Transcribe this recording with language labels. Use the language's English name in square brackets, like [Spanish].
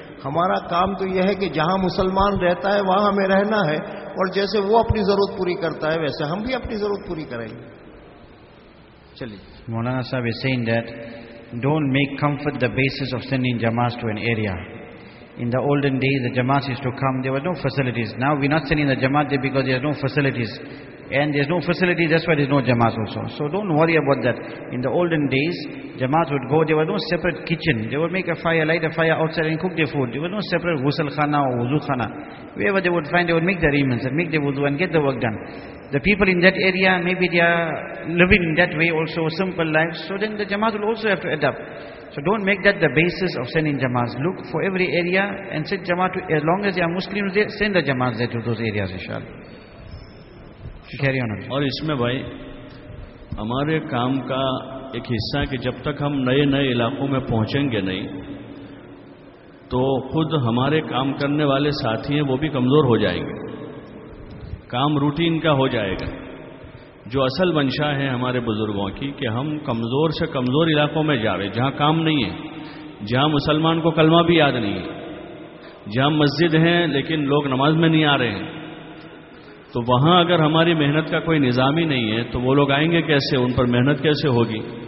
[Hindi] हमारा काम तो यह है कि जहां मुसलमान रहता है वहां हमें रहना है, और जैसे वो अपनी जरूरत पूरी करता है वैसे हम भी अपनी जरूरत पूरी करेंगे. चलिए [English] मौलाना साहब is saying that don't make comfort the basis of sending jamaat to an area. In the olden days, the jamaat used to come, there were no facilities. Now we're not sending the jamaat there because there's no facilities. And there's no facilities, that's why there's no jamaat also. So don't worry about that. In the olden days, jamaat would go, there was no separate kitchen. They would make a fire, light a fire outside and cook their food. There was no separate ghusl khana or wuzu khana. Wherever they would find, they would make the arrangements and make the wuzu and get the work done. The people in that area, maybe they are living in that way also, simple life. So then the jamaat will also have to adapt. So don't make that the basis of sending jamaats. Look for every area and send jamaat to, as long as they are Muslims, send the jamaats there to those areas, inshallah. Carry on. [Hindi] और इसमें भाई हमारे काम का एक हिस्सा है कि जब तक हम नए नए इलाकों में पहुंचेंगे नहीं तो खुद हमारे काम करने वाले साथी हैं वो भी कमजोर हो जाएंगे. काम रूटीन का हो जाएगा. जो असल मंशा है हमारे बुजुर्गों की कि हम कमजोर से कमजोर इलाकों में जा रहे जहां काम नहीं है, जहां मुसलमान को कलमा भी याद नहीं है, जहां मस्जिद है लेकिन लोग नमाज में नहीं आ रहे हैं, तो वहां अगर हमारी मेहनत का कोई निजाम ही नहीं है तो वो लोग आएंगे कैसे, उन पर मेहनत कैसे होगी.